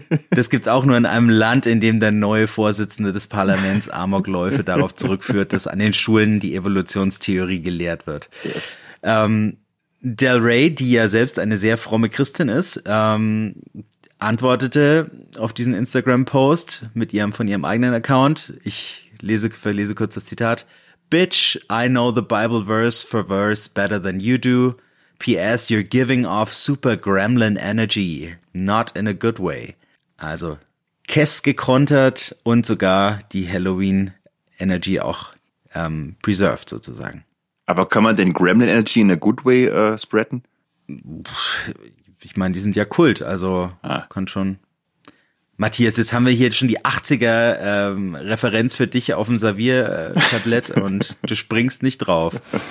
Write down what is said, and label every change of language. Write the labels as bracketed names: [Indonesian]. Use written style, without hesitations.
[German] Das gibt's auch nur in einem Land, in dem der neue Vorsitzende des Parlaments Amokläufe darauf zurückführt, dass an den Schulen die Evolutionstheorie gelehrt wird. [English] Yes. [German] Del Rey, die ja selbst eine sehr fromme Christin ist, antwortete auf diesen Instagram-Post mit ihrem eigenen Account. Ich verlese kurz das Zitat. [English] Bitch, I know the Bible verse for verse better than you do. P.S. You're giving off super gremlin energy. Not in a good way. [German] Also, Kess gekontert und sogar die Halloween Energy auch preserved sozusagen. Aber kann man denn [English] gremlin energy in a good way [German] spreaden? Ich meine, die sind ja Kult, also kann schon. Matthias, jetzt haben wir hier schon die 80er Referenz für dich auf dem Servier-Tablett und du springst nicht drauf.